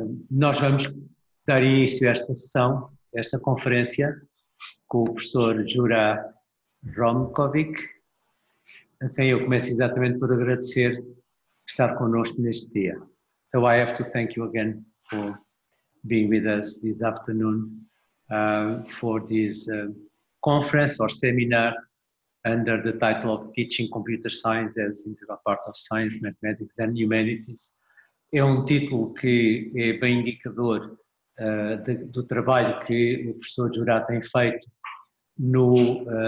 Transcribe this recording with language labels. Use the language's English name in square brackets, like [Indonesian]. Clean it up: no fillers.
[Portuguese] Nós vamos dar início a esta sessão, a esta conferência, com o professor Juraj Hromkovic, a quem eu começo exatamente por agradecer estar connosco neste dia. [English] So I have to thank you again for being with us this afternoon for this conference or seminar under the title of Teaching Computer Science as Integral Part of Science, Mathematics and Humanities. [Portuguese] É título que é bem indicador do trabalho que o professor Juraj tem feito no